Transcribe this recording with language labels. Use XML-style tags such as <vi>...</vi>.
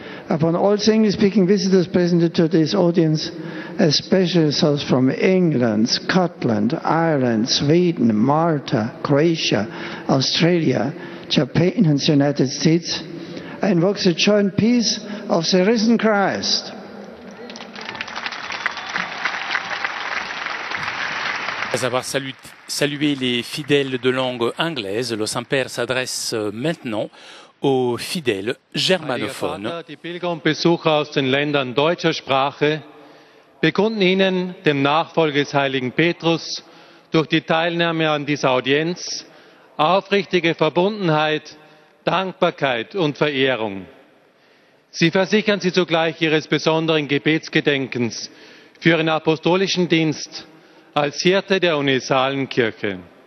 <en>Upon all English-speaking visitors present to today's audience, especially those from England, Scotland, Ireland, Sweden, Malta, Croatia, Australia, Japan, and the United States, I invoke the joint peace of the risen Christ.</en> <fr>Après avoir salué les fidèles de langue anglaise, le Saint-Père s'adresse maintenant aux fidèles germanophones.</fr> <de>Die Pilgrimbesucher aus den Ländern deutscher Sprache bekunden Ihnen dem Nachfolger des heiligen Petrus durch die Teilnahme an dieser Audienz aufrichtige Verbundenheit, Dankbarkeit und Verehrung. Sie versichern sie zugleich ihres besonderen Gebetsgedenkens für ihren apostolischen Dienst als Hirte der Universalen Kirche.</de>